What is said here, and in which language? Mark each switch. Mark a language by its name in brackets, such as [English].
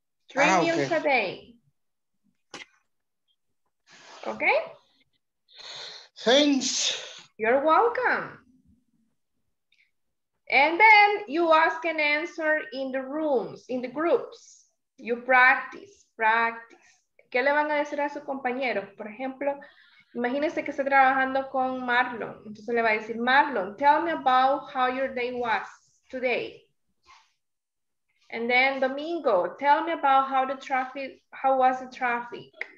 [English] Three meals a day. Okay? Thanks. You're welcome. And then you ask and answer in the rooms, in the groups. You practice. [Spanish] ¿Qué le van a decir a su compañero? Por ejemplo, imagínese que está trabajando con Marlon. Entonces le va a decir, [English] Marlon, tell me about how your day was today. And then Domingo, tell me about how was the traffic.